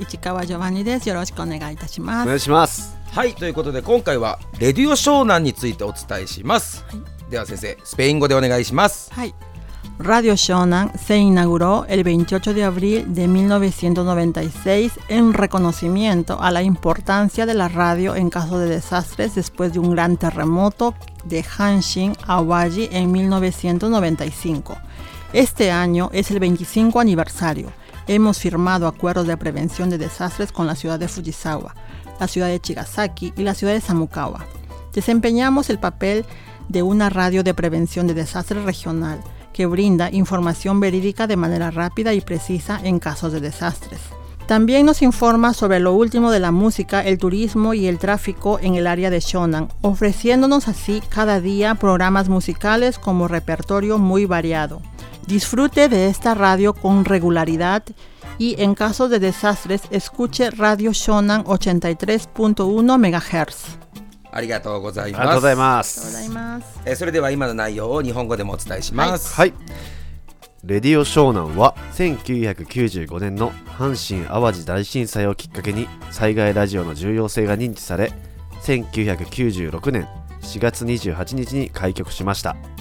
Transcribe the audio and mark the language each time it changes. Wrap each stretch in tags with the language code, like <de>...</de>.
<ja>市川ジョバンニです。よろしくお願いいたします。お願いします。はい、ということで今回はレディオ湘南についてお伝えします。はい、では先生、スペイン語でお願いします。</ja> <es>はい、Radio Shonan se inauguró el 28 de abril de 1996 en reconocimiento a la importancia de la radio en caso de desastres después de un gran terremoto de Hanshin Awaji en 1995. Este año es el 25 aniversario. Hemos firmado acuerdos de prevención de desastres con la ciudad de Fujisawa, la ciudad de Chigasaki y la ciudad de Samukawa. Desempeñamos el papel de una radio de prevención de desastres regional, que brinda información verídica de manera rápida y precisa en casos de desastres. También nos informa sobre lo último de la música, el turismo y el tráfico en el área de Shonan, ofreciéndonos así cada día programas musicales como repertorio muy variado. Disfrute de esta radio con regularidad y en casos de desastres escuche Radio Shonan 83.1 MHz.</es> <ja>ありがとうございます。ありがとうございます。それでは今の内容を日本語でもお伝えします。はい。レディオ湘南は1995年の阪神・淡路大震災をきっかけに災害ラジオの重要性が認知され、1996年4月28日に開局しました。</ja>